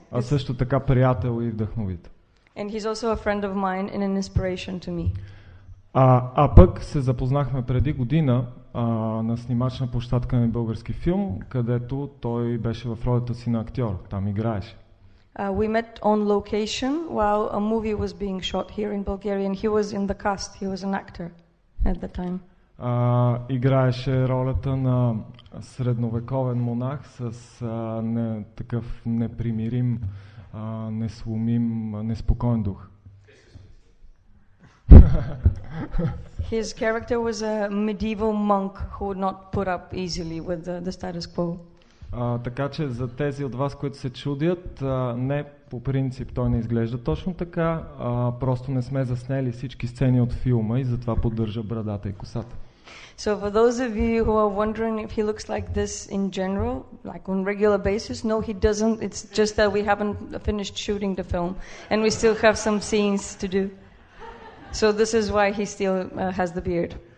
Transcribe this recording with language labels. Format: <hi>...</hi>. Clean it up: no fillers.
<bg>А също така приятел и вдъхновител.</bg> <en>And he's also a friend of mine and an inspiration to me.</en> <bg>А пък се запознахме преди година на снимачна площадка на български филм, където той беше в ролята си на актьор. Там играеше.</bg> <en>We met on location while a movie was being shot here in Bulgaria and he was in the cast. He was an actor at the time.</en> <bg>Играеше ролята на средновековен монах с такъв непримирим, несломим, неспокоен дух.</bg> <en>His character was a medieval monk who would not put up easily with the status quo.</en> <bg>Така че за тези от вас, които се чудят, не по принцип той не изглежда точно така, просто не сме заснели всички сцени от филма и затова поддържа брадата и косата.</bg> <en>So for those of you who are wondering if he looks like this in general, like on regular basis, no he doesn't. It's just that we haven't finished shooting the film and we still have some scenes to do. So this is why he still has the beard.</en>